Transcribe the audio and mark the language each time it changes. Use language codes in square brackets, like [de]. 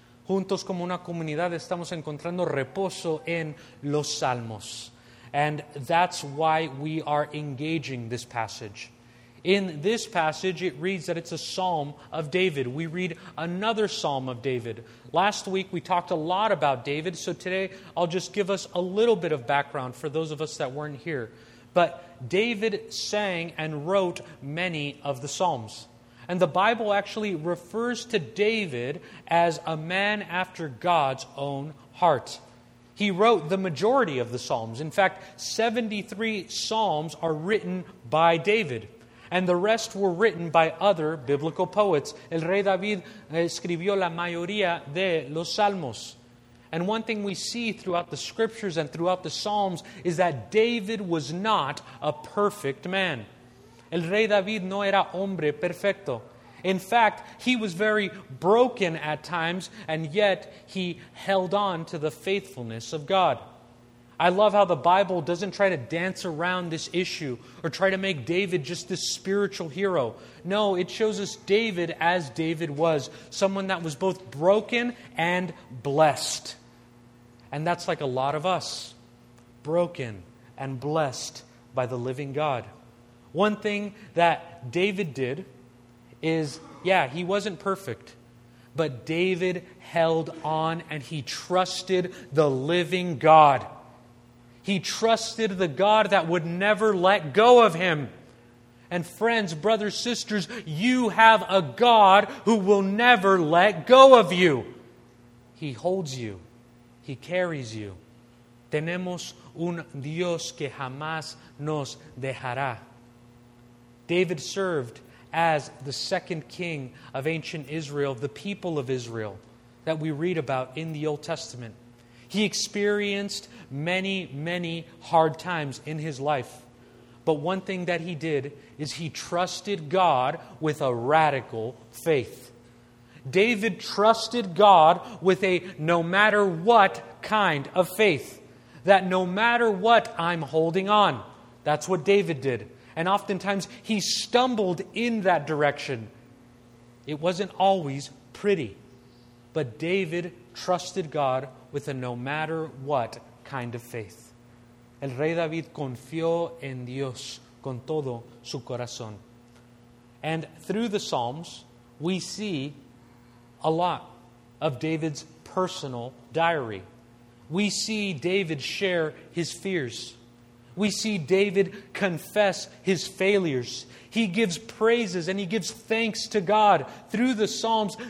[es] Juntos como una comunidad estamos encontrando reposo en los Salmos. [en] And that's why we are engaging this passage. In this passage, it reads that it's a psalm of David. We read another psalm of David. Last week, we talked a lot about David, so today I'll just give us a little bit of background for those of us that weren't here. But David sang and wrote many of the psalms. And the Bible actually refers to David as a man after God's own heart. He wrote the majority of the Psalms. In fact, 73 Psalms are written by David. And the rest were written by other biblical poets. [es] El rey David escribió la mayoría de los Salmos. [en] And one thing we see throughout the Scriptures and throughout the Psalms is that David was not a perfect man. [es] El rey David no era hombre perfecto. [en] In fact, he was very broken at times, and yet he held on to the faithfulness of God. I love how the Bible doesn't try to dance around this issue or try to make David just this spiritual hero. No, it shows us David as David was, someone that was both broken and blessed. And that's like a lot of us, broken and blessed by the living God. One thing that David did is, yeah, he wasn't perfect, but David held on and he trusted the living God. He trusted the God that would never let go of him. And friends, brothers, sisters, you have a God who will never let go of you. He holds you. He carries you. [es] Tenemos un Dios que jamás nos dejará. [en] David served as the second king of ancient Israel, the people of Israel that we read about in the Old Testament. He experienced many, many hard times in his life. But one thing that he did is he trusted God with a radical faith. David trusted God with a no matter what kind of faith. That no matter what, I'm holding on. That's what David did. And oftentimes, he stumbled in that direction. It wasn't always pretty. But David trusted God with a no matter what kind of faith. [es] El rey David confió en Dios con todo su corazón. [en] And through the Psalms, we see a lot of David's personal diary. We see David share his fears. We see David confess his failures. He gives praises and he gives thanks to God through the Psalms.